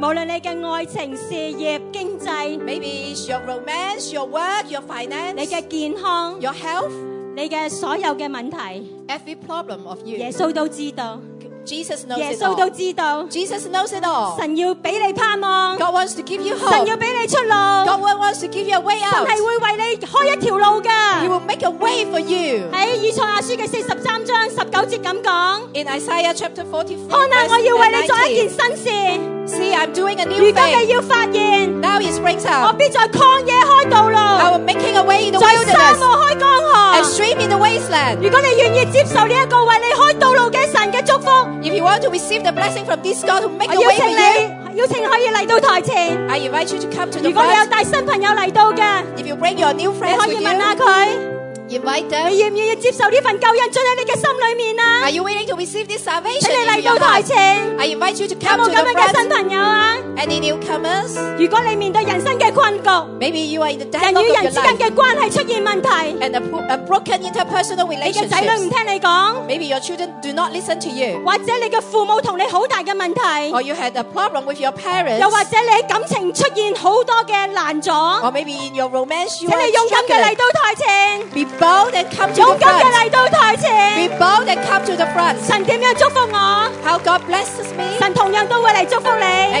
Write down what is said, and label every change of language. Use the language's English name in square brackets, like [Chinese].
[Chinese] 无论你嘅爱情、事业、经济 [English] ，Maybe it's your romance, your work, your finance， [Chinese] 你嘅健康 [English] ，your health， [Chinese] 你嘅所有嘅问题 [English] ，every problem of you， [Chinese] 耶稣都知道。 [English] Jesus knows [Chinese] 耶稣都知道 [English] ，Jesus knows it all。 [Chinese] 神要俾你盼望 [English] ，God wants to give you hope。 [Chinese] 神要俾你出路 [English] ，God wants to give you a way out。 [Chinese] 神系会为你开一条路噶 [English] ，He will make a way for you。 [Chinese] 喺以赛亚书嘅43:19咁讲 [English] ，In Isaiah chapter 44， [Chinese] 看啊，我要为你做一件新事。 [English] See, I'm doing a new thing. [Chinese] 如果你要发现 [English] ，Now it springs up。 [Chinese] 我必在旷野开道路 [English] ，I will making a way in the wilderness。 [Chinese] 在沙漠开江河 [English] ，A stream in the wasteland。 [Chinese] 如果你愿意接受呢一个为你开道路嘅神嘅祝福。 [English] If you want to receive the blessing from this God to make a way for you, [Chinese] 邀请可以来到台前。 [English] I invite you to come to the front. [Chinese] 如果你有带新朋友来到的 [English] If you bring your new friends with you, [Chinese] 你可以问下佢。 [English] Invite them. [Chinese] 你愿唔愿意接受呢份救恩进喺你嘅心里面啊 [English] ？Are you willing to receive this salvation? [Chinese] 请你嚟到台前。 [English] I invite you to come to the front. [Chinese] 有冇咁样嘅新朋友啊 [English] ？Any newcomers? [Chinese] 如果你面对人生嘅困局 [English] ，Maybe you are in the dark of your life. [Chinese] 人与人之间嘅关系出现问题 [English] ，and a broken interpersonal relationship. [Chinese] 你嘅仔女唔听你讲 [English] ，Maybe your children do not listen to you. [Chinese] 或者你嘅父母同你好大嘅问题 [English] ，or you had a problem with your parents. [Chinese] 又或者你喺感情出现好多嘅难阻 [English] ，or maybe in your romance you are struggling. [Chinese] 请你勇敢嘅嚟到台前。 [English] Bold and come to the front. [Chinese] 勇敢地来到台前。 [English] Be bold and come to the front. [Chinese] 神点样祝福我 [English] ？How God blesses me. [Chinese] 神同样都会来祝福你。